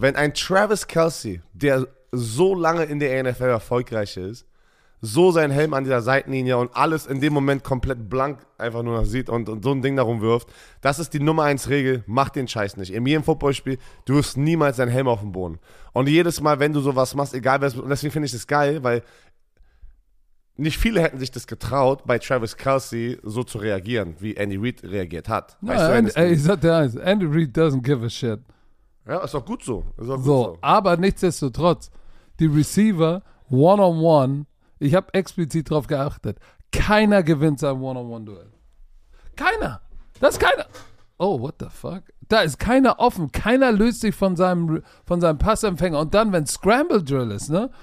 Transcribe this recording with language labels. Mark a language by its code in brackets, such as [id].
[de] Wenn ein Travis Kelce, der so lange in der NFL erfolgreich ist, so seinen Helm an dieser Seitenlinie und alles in dem Moment komplett blank einfach nur noch sieht und so ein Ding darum wirft, das ist die Nummer 1 Regel, mach den Scheiß nicht. In jedem Footballspiel, du wirst niemals deinen Helm auf den Boden. Und jedes Mal, wenn du sowas machst, egal wer es, und deswegen finde ich das geil, weil nicht viele hätten sich das getraut, bei Travis Kelce so zu reagieren, wie Andy Reid reagiert hat. [en] Andy Reid doesn't give a shit. [de] Ja, ist doch gut so. Aber nichtsdestotrotz, die Receiver one-on-one, ich habe explizit darauf geachtet. Keiner gewinnt sein One-on-One-Duell. Keiner. Da ist keiner. [en] Oh, what the fuck? [de] Da ist keiner offen. Keiner löst sich von seinem Passempfänger. Und dann, wenn Scramble Drill ist, ne?